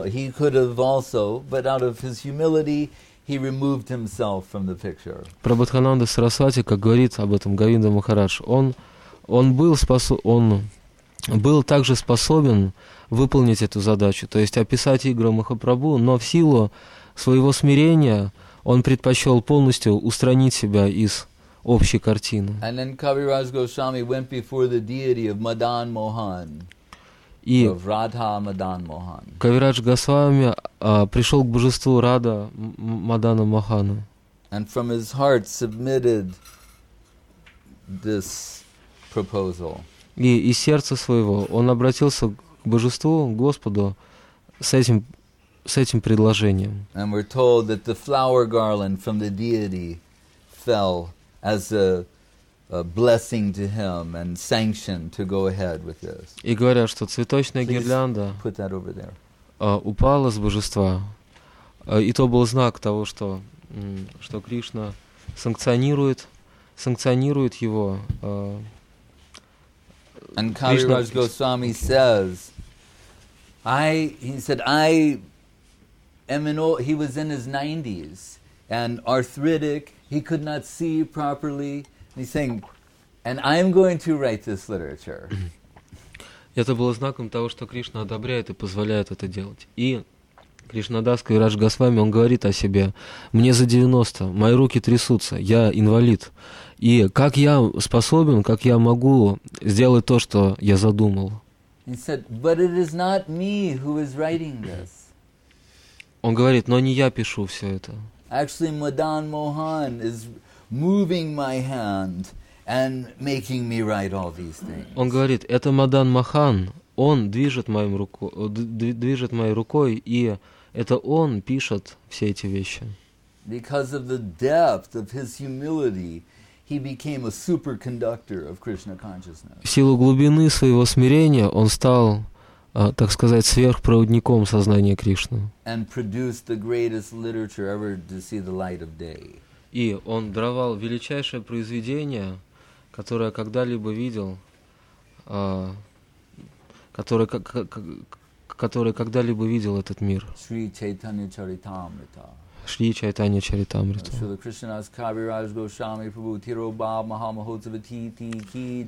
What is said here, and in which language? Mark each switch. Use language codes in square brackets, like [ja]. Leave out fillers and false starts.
[en] He could have also, but out of his humility, he removed himself from the picture. [ru] Прабодхананда Сарасвати, как говорит об этом Говинда Махарадж, он был также способен выполнить эту задачу, то есть описать игру Махапрабху, но в силу своего смирения он предпочел полностью устранить себя из общей картины. [en] And then Kaviraj Goswami went before the deity of Madan Mohan. [ru] И Радха Мадан Мохан. Кавирадж Госвами пришел к божеству Рада Мадана Мохана. [en] And from his heart submitted this proposal. [ru] И из сердца своего он обратился к божеству, к Господу, с этим предложением. [en] And we're told that the flower garland from the deity fell as a blessing to him and sanction to go ahead with this. [ru] И говорят, что цветочная гирлянда упала с божества, и то был знак того, что Кришна санкционирует его. [en] And Kaviraj Goswami says, "I," he said, "I he was in his 90s and arthritic. He could not see properly. And he's saying, and I'm going to write this literature. [ru] Это было знаком того, что Кришна одобряет и позволяет это делать. И Кришнадас Кавирадж Госвами, он говорит о себе: мне за 90, мои руки трясутся, я инвалид. И как я способен, как я могу сделать то, что я задумал? [en] He said, but it is not me who is writing this. [ru] Он говорит, но не я пишу все это. [en] Actually, Madan Mohan is moving my hand and making me write all these things. [ru] Он говорит, это Мадан Махан, он движет моей рукой, и это он пишет все эти вещи. [en] Because of the depth of his humility, he became a superconductor of Krishna consciousness. [ru] В силу глубины своего смирения он стал, так сказать, сверхпроводником сознания Кришны. [en] And produced the greatest literature ever to see the light of day. [ru] И он даровал величайшее произведение, которое когда-либо видел, которое когда-либо видел этот мир. Шри Чайтанья Чаритамрита. Шри Чайтанья Чаритамрита. Шрила Кришнадас Кавирадж Госвами Прабху Тиро Баб Махамахотсава Тити Ки